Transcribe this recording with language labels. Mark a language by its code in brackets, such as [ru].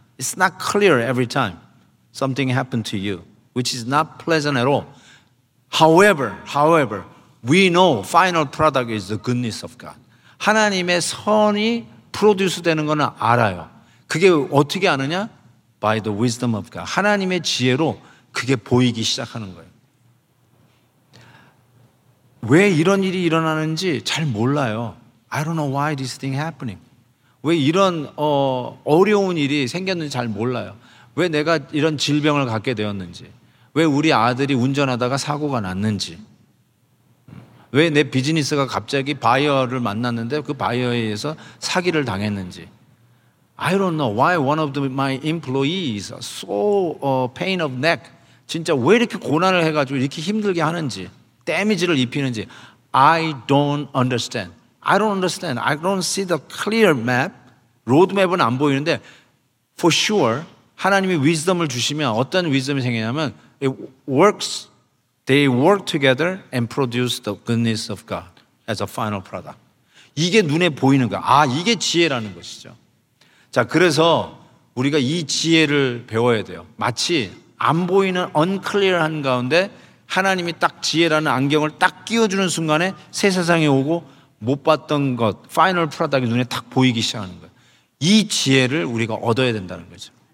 [en] It's not clear every time something happened to you, which is not pleasant at all. However, we know final product is the goodness of God. [ko] 하나님의 선이 프로듀스 되는 거는 알아요. 그게 어떻게 아느냐? [en] By the wisdom of God. [ko] 하나님의 지혜로 그게 보이기 시작하는 거예요. 왜 이런 일이 일어나는지 잘 몰라요. [en] I don't know why this thing happening. [ko] 왜 이런 어려운 일이 생겼는지 잘 몰라요. 왜 내가 이런 질병을 갖게 되었는지, 왜 우리 아들이 운전하다가 사고가 났는지, 왜 내 비즈니스가 갑자기 바이어를 만났는데 그 바이어에 의해서 사기를 당했는지. [en] I don't know why one of my employees are so pain of neck. [ko] 진짜 왜 이렇게 고난을 해가지고 이렇게 힘들게 하는지, 데미지를 입히는지. [en] I don't understand. I don't see the clear map. [ko] 로드맵은 안 보이는데 [en] for sure [ko] 하나님이 wisdom을 주시면 어떤 wisdom이 생기냐면 [en] it works. They work together and produce the goodness of God as a final product. [ko] 이게 눈에 보이는 거야. 아, 이게 지혜라는 것이죠. 자, 그래서 우리가 이 지혜를 배워야 돼요. 마치 안 보이는 unclear한 가운데 하나님이 딱 지혜라는 안경을 딱 끼워주는 순간에 새 세상에 오고 못 봤던 것, final product이 눈에 딱 보이기 시작하는 거예요. 이 지혜를 우리가 얻어야 된다는 거죠.